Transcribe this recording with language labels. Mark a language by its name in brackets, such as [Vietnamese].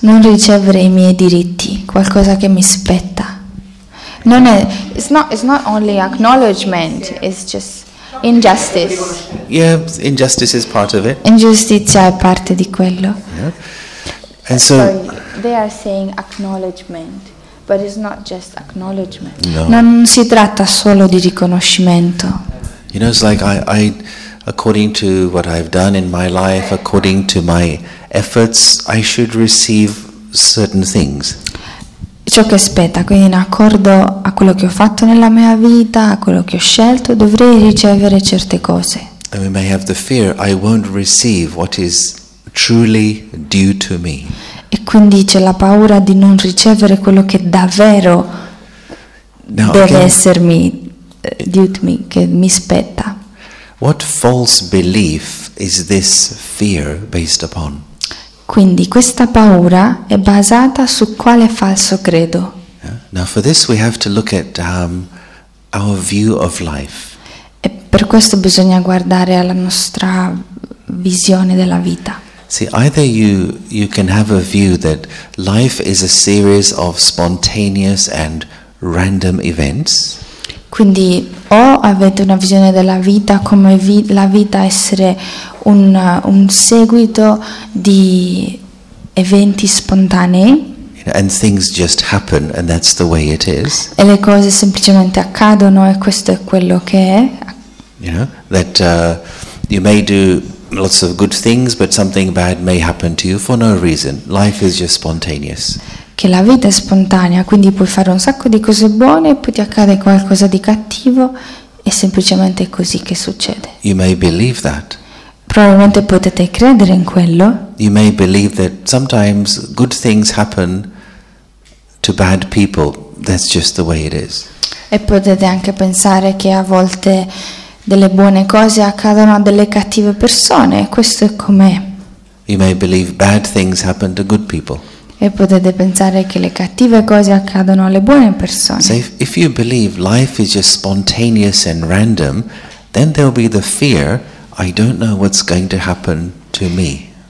[Italian] Non ricevere i miei diritti, qualcosa che mi spetta. Non è, [English] it's not only acknowledgement, it's just injustice. Yeah, injustice is part of it. [Italian] Ingiustizia è parte di quello. [English] Yeah. And so sorry, they are saying acknowledgement. But it's not just acknowledgement. No. [Italian] Non si tratta solo di riconoscimento. [English] You know, it's like I according to what I've done in my life, according to my efforts, I should receive certain things. [Italian] Ciò che spetta, quindi in accordo a quello che ho fatto nella mia vita, a quello che ho scelto, dovrei ricevere certe cose. [English] And we may have the fear I won't receive what is truly due to me. [Italian] E quindi c'è la paura di non ricevere quello che davvero essermi [English] due to me, [Italian] che mi spetta. [English] What false belief is this fear based upon? [Italian] Quindi questa paura è basata su quale falso credo? [English] Yeah. Now for this we have to look at our view of life. [Italian] E per questo bisogna guardare alla nostra visione della vita. [English] See, either you can have a view that life is a series of spontaneous and random events. [Italian] Quindi o avete una visione della vita come la vita essere un seguito di eventi spontanei. [English] And things just happen and that's the way it is. [Italian] E le cose semplicemente accadono e questo è quello che è. [English] You know, that You may do lots of good things, but something bad may happen to you for no reason. Life is just spontaneous. [Italian] Che la vita è spontanea, quindi puoi fare un sacco di cose buone e poi ti accade qualcosa di cattivo, è semplicemente così che succede. [English] You may believe that. [Italian] Probabilmente potete credere in quello. [English] You may believe that sometimes good things happen to bad people. That's just the way it is. [Italian] E potete anche pensare che a volte delle buone cose accadono a delle cattive persone. Questo è com'è. [English] You may believe bad things happen to good people. [Italian] E potete pensare che le cattive cose accadono alle buone persone. [English] So if you believe life is just spontaneous and random, then there will be the fear. I don't know what's going to happen to me.